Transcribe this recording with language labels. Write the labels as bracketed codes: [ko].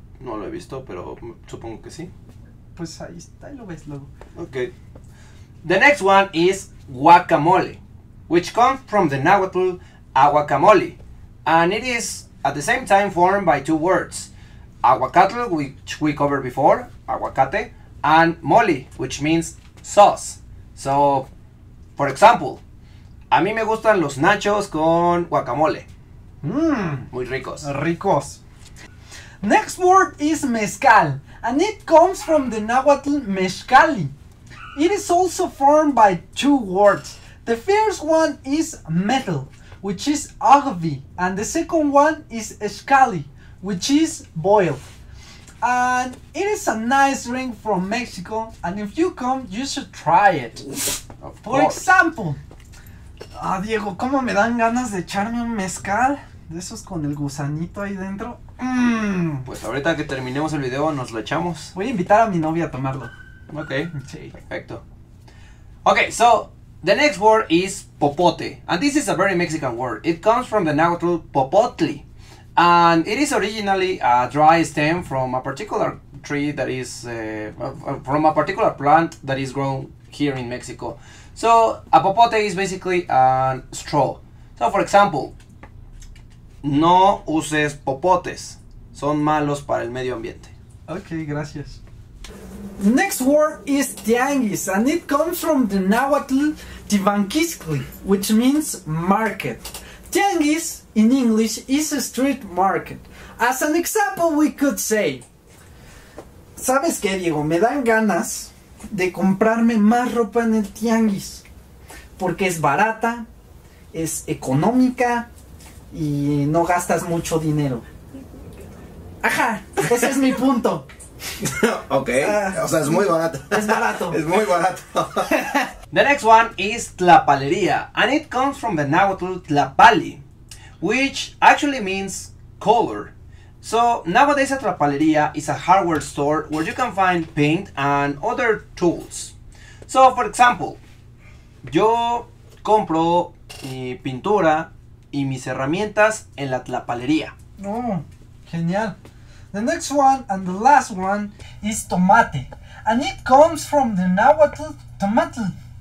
[es] No lo he visto, pero supongo que sí. Pues ahí está, lo ves luego. [en] Okay. The next one is guacamole, which comes from the Nahuatl aguacamole, and it is at the same time formed by two words, aguacatl, which we covered before, aguacate, and mole, which means sauce. So, for example, [es] a mí me gustan los nachos con guacamole. Muy ricos. Ricos. [en] Next word is mezcal, and it comes from the Nahuatl mezcali. It is also formed by two words. The first one is metal, which is agave, and the second one is escali, which is boiled. And it is a nice drink from Mexico, and if you come, you should try it. Of course. For example, [es] ah, Diego, ¿cómo me dan ganas de echarme un mezcal? De esos con el gusanito ahí dentro. Pues ahorita que terminemos el video, nos lo echamos. Voy a invitar a mi novia a tomarlo. [en] Okay, [es] sí. Perfecto. [en] Okay, so the next word is popote, and this is a very Mexican word. It comes from the Nahuatl popotli, and it is originally a dry stem from a particular tree that is from a particular plant that is grown here in Mexico. So a popote is basically a straw. So for example, [es] no uses popotes, son malos para el medio ambiente. Okay, gracias. [en] Next word is tianguis, and it comes from the Nahuatl tivanquiscli, which means market. Tianguis in English is a street market, As an example, we could say, [es] ¿sabes qué, Diego? Me dan ganas de comprarme más ropa en el tianguis, porque es barata, es económica y no gastas mucho dinero. Ajá, ese es mi punto. Ok, o sea, es muy barato. Es barato. Es muy barato. [en] The next one is tlapalería, and it comes from the Nahuatl tlapali, which actually means color. So nowadays a tlapalería is a hardware store where you can find paint and other tools. So for example, [es] yo compro pintura y mis herramientas en la tlapalería. Oh, genial. [en] The next one and the last one is tomate, and it comes from the Nahuatl tomate.